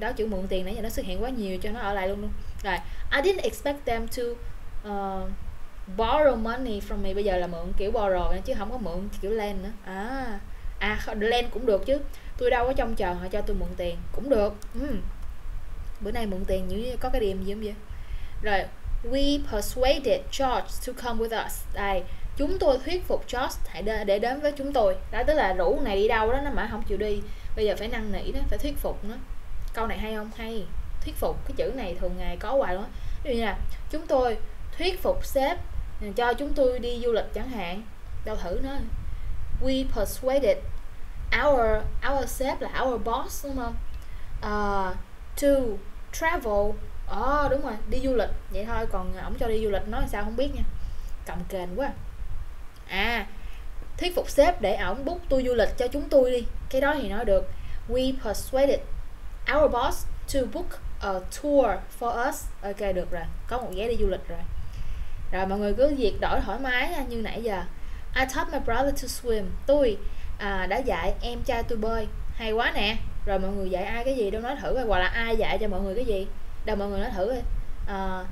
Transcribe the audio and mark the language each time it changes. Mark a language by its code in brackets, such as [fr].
[vi] Đó, chữ mượn tiền nãy giờ nó xuất hiện quá nhiều cho nó ở lại luôn luôn. Rồi, [en] I didn't expect them to borrow money from me. [vi] Bây giờ là mượn kiểu borrow nữa, chứ không có mượn kiểu lend nữa. À, lend cũng được chứ. Tôi đâu có trông chờ họ cho tôi mượn tiền. Cũng được. Bữa nay mượn tiền như có cái điểm gì không vậy? Rồi, [en] we persuaded George to come with us. [vi] Đây, chúng tôi thuyết phục George hãy để đến với chúng tôi. Đó, tức là rủ này đi đâu đó, nó mà không chịu đi. Bây giờ phải năn nỉ đó, phải thuyết phục nó. Câu này hay không? Hay. Thuyết phục, cái chữ này thường ngày có hoài luôn á. Ví dụ như là chúng tôi thuyết phục sếp cho chúng tôi đi du lịch chẳng hạn. Đâu thử nó. [en] We persuaded our sếp là our boss [vi] đúng không? To travel. Đúng rồi, đi du lịch vậy thôi, còn ổng cho đi du lịch nói sao không biết nha. Cầm kềnh quá. À, thuyết phục sếp để ổng book tour du lịch cho chúng tôi đi. Cái đó thì nói được. [en] We persuaded our boss to book a tour for us. [vi] Ok, được rồi, có một vé đi du lịch rồi. Rồi mọi người cứ việc đổi thoải mái nha, như nãy giờ. [en] I taught my brother to swim. [vi] Tôi đã dạy em trai tôi bơi. Hay quá nè. Rồi mọi người dạy ai cái gì đâu, nói thử coi. Hoặc là ai dạy cho mọi người cái gì đâu, mọi người nói thử coi.